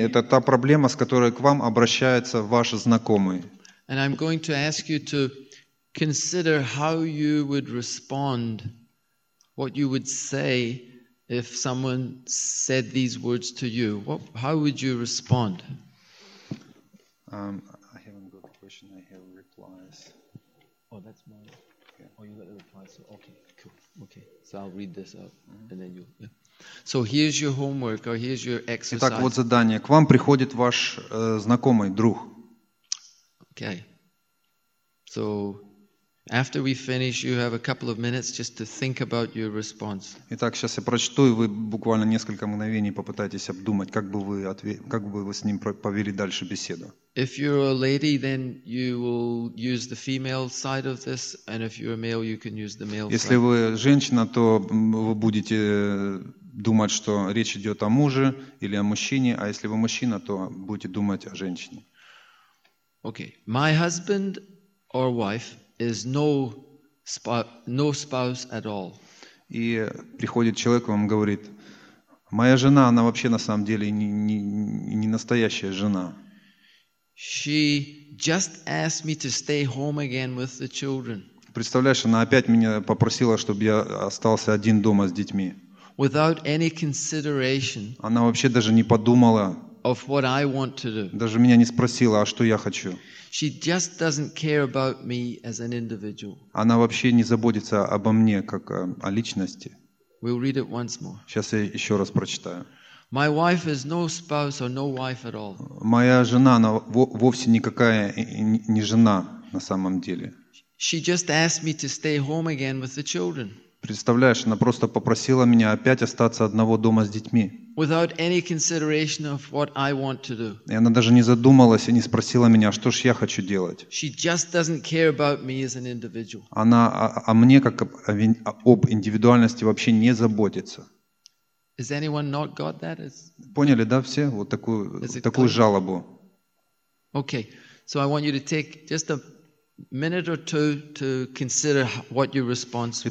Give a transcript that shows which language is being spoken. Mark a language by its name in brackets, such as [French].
[Russian] Это та проблема, с которой к вам обращается ваш знакомый. [English] And I'm going to ask you to consider how you would respond, what you would say if someone said these words to you. How would you respond? I haven't got a question. I have replies. Oh, that's mine. Oh, you got a reply, so okay, cool. Okay, so I'll read this out, and then you'll... Yeah. So here's your homework, or here's your exercise. [Russian] Итак, вот задание. К вам приходит ваш знакомый, друг. [English] Okay. So, after we finish, you have a couple of minutes just to think about your response. [Russian] Итак, сейчас я прочту, и вы буквально несколько мгновений попытаетесь обдумать, как бы вы с ним повели дальше беседу. [English] If you're a lady, then you will use the female side of this, and if you're a male, you can use the male. [Russian] Если вы женщина, то вы будете думать, что речь идет о муже или о мужчине, а если вы мужчина, то будете думать о женщине. [English] Okay, my husband or wife is no spouse at all. [Russian] И приходит человек, вам говорит: моя жена, она вообще на самом деле не настоящая жена. [English] She just asked me to stay home again with the children. [Russian] Представляешь, она опять меня попросила, чтобы я остался один дома с детьми. [English] Without any consideration. [Russian] Она вообще даже не подумала. [English] Of what I want to do. [Russian] Даже меня не спросила, а что я хочу. [English] She just doesn't care about me as an individual. [Russian] Она вообще не заботится обо мне как о личности. [English] We'll read it once more. [Russian] Сейчас я еще раз прочитаю. [English] My wife is no spouse or no wife at all. [Russian] Моя жена, она вовсе никакая не жена на самом деле. [English] She just asked me to stay home again with the children. [Russian] Представляешь, она просто попросила меня опять остаться одного дома с детьми. [English] without any consideration of what I want to do. [Russian] И она даже не задумалась и не спросила меня, что ж я хочу делать. [English] She just doesn't care about me as an individual. [Russian] Она о мне как об индивидуальности вообще не заботится. [English] Is anyone not got that? [Russian] Поняли, да, все вот такую жалобу. [English] Okay. So I want you to take just a minute or two to consider what your response will.